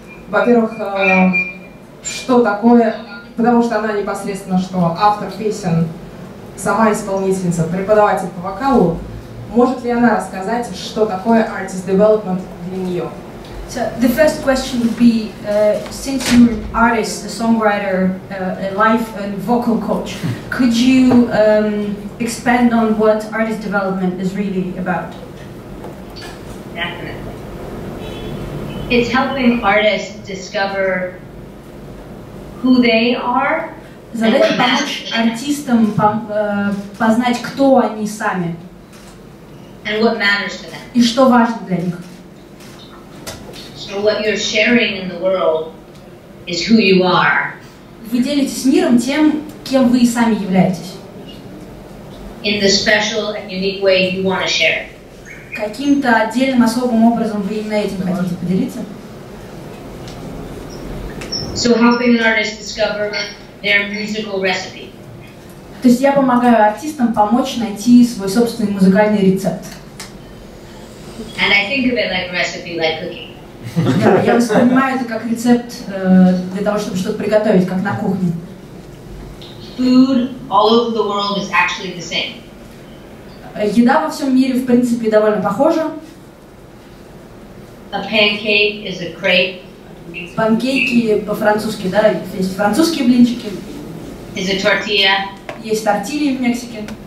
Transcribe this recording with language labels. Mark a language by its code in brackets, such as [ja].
[ru] Во-первых, что такое, потому что она непосредственно что, автор песен, сама исполнительница, преподаватель по вокалу, может ли она рассказать, что такое artist development для нее? [en] So the first question would be, since you're an artist, a songwriter, a life and vocal coach, could you expand on what artist development is really about? Definitely. It's helping artists discover who they are. [ru] Задача помочь артистам познать, кто они сами. [en] And what matters to them. [ru] И что важно для них. [en] So what you're sharing in the world is who you are. [ru] Вы делитесь миром тем, кем вы сами являетесь. [en] In the special and unique way you want to share. [ru] Каким-то отдельным особым образом вы именно этим хотите поделиться? [en] So helping an artist discover their musical recipe. [ru] То есть я помогаю артистам помочь найти свой собственный музыкальный рецепт. [en] And I think of it like a recipe, like cooking. [ru] Да, я воспринимаю это как рецепт для того, чтобы что-то приготовить, как на кухне. [en] Food all over the world is actually the same. [ru] Еда во всем мире, в принципе, довольно похожа. [en] A pancake is a crepe. [ru] Панкейки по-французски, да, есть французские блинчики. [en] Is a tortilla. [ru] Есть тортильи в Мексике.